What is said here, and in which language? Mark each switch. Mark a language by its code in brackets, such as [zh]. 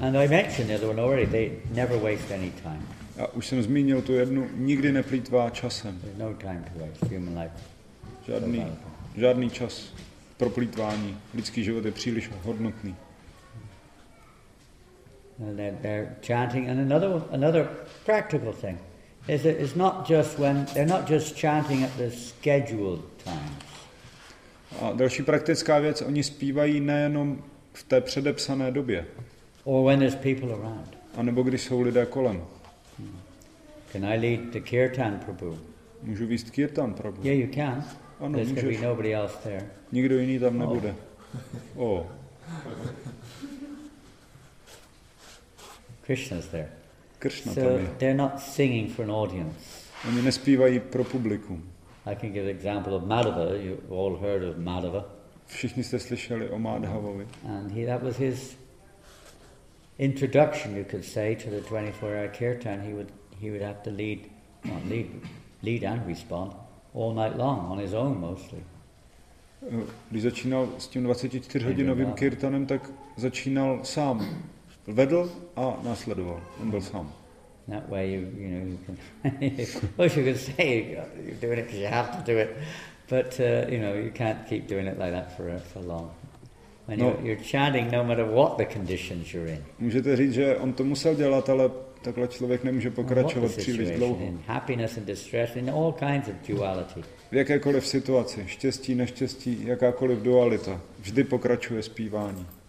[en] And I mentioned the other one already. They never waste any time. [cs] Já už jsem zmínil tu jednu, nikdy neplýtvá časem. [en] There's no time to waste. Human life. [cs] Žádný čas pro plýtvání. Lidský život je příliš hodnotný. [en] And they're chanting. And another practical thing is that it's not just when they're not just chanting at the scheduled times. [cs] A další praktická věc, oni zpívají nejenom v té předepsané době. [en] Or when there's people around. [cs] A nebo když jsou lidé kolem. [en] Can I lead the kirtan, Prabhu? [cs] Můžu vést kirtan, Prabhu? [en] Yeah, you can. [cs] Ano, [en] there's [cs] můžeš. [en] Going to be nobody else there. [cs] Nikdo jiný tam nebude. Oh. [en] Krishna's there. [cs] Krishna [en] so [cs] tam je. [en] So they're not singing for an audience. [cs] Oni nespívají pro publikum. [en] I can give an example of Madhava. You've all heard of Madhava. [cs] Všichni jste slyšeli o Madhavovi. [en] And that was his introduction, you could say, to the 24-hour kirtan. He would have to lead and respond all night long on his own mostly. [cs] Když začínal s tím 24-hodinovým kirtanem, tak začínal sám, vedl a následoval. On byl sám. [en] That way, you can. What you could say, you're doing it because you have to do it. But you can't keep doing it like that for long. When you're chanting, no matter what the conditions you're in. [cs] Můžete říct, že on to musel dělat, ale takhle člověk nemůže pokračovat příliš dlouho. [en] Happiness and distress in all kinds of duality. [cs] V jakékoliv situaci, štěstí, neštěstí, jakákoliv dualita, vždy pokračuje zpívání.